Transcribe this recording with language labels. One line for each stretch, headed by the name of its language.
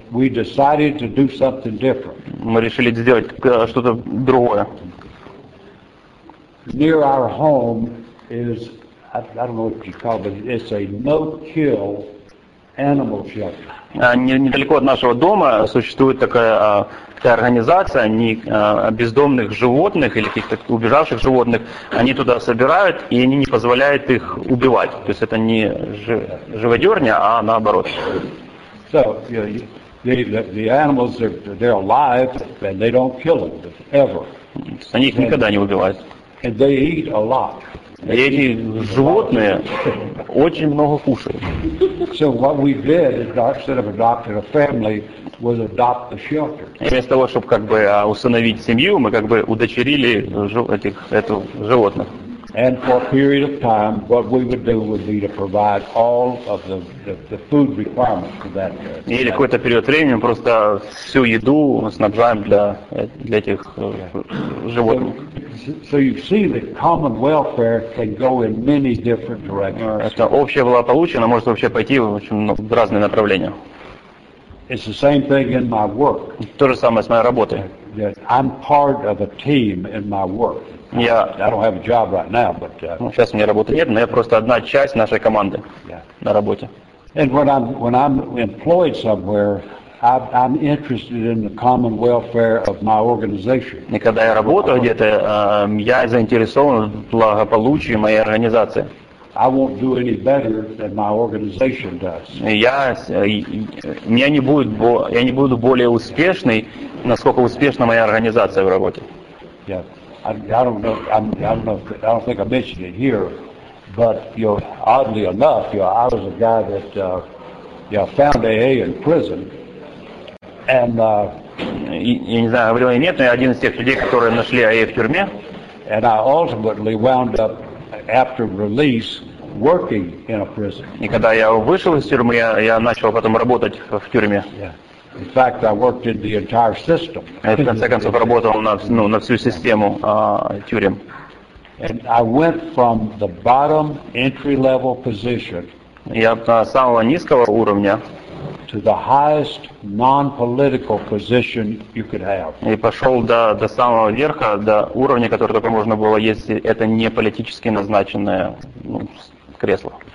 English: we decided to do something different.
Russian: Мы решили сделать что-то другое.
English: Near our home is, I don't know what you call it, but it's a no-kill animal shelter.
Russian: Недалеко от нашего дома существует такая организация бездомных животных или каких-то убежавших животных. Они туда собирают, и они не позволяют их убивать. То есть это не живодерня, а наоборот.
English: So, the animals, they're alive, and they don't kill them, ever.
Russian: Они их никогда не убивают.
English: And they eat a lot.
Russian: И эти животные очень много кушают.
English: So what we did is, instead of adopting a family, was adopt the shelter.
Russian: И вместо того, чтобы усыновить семью, мы удочерили эту животных.
English: And for a period of time, what we would do would be to provide all of the food requirements for that.
Russian: Или какой-то период времени мы просто всю еду снабжаем для этих животных.
English: So you see that common welfare can go in many different directions.
Russian: Это общее благополучие, оно может вообще пойти в разные направления.
English: It's the same thing in my work.
Russian: То же самое с моей работой.
English: Yes, I'm part of a team in my work. I don't have a job right now, but.
Russian: Сейчас у меня работы нет, но я просто одна часть нашей команды на работе.
English: And when I'm employed somewhere, I'm interested in the common welfare of my organization.
Russian: И когда я работаю где-то, я заинтересован в благополучии моей организации.
English: I won't do any better than my organization does.
Russian: Я не буду более успешный, насколько успешна моя организация в работе.
English: Yeah. I don't know. I don't think I mentioned it here, But you know, oddly enough, you know, I was a guy that you know, found AA in prison. And
Russian: я не знаю, говорил или нет, но я один из тех людей, которые нашли AA в тюрьме.
English: And I ultimately wound up after release working in a prison.
Russian: И когда я вышел из тюрьмы, я начал потом работать в тюрьме.
English: In fact, I worked in the entire system.
Russian: Я, в конце концов, работал на, ну, на всю систему тюрем.
English: And I went from the bottom entry-level position.
Russian: Я с самого низкого уровня
English: to the highest non-political position you could have.
Russian: И пошел до самого верха, до уровня, который только можно было, если это не политически назначенное ну, кресло.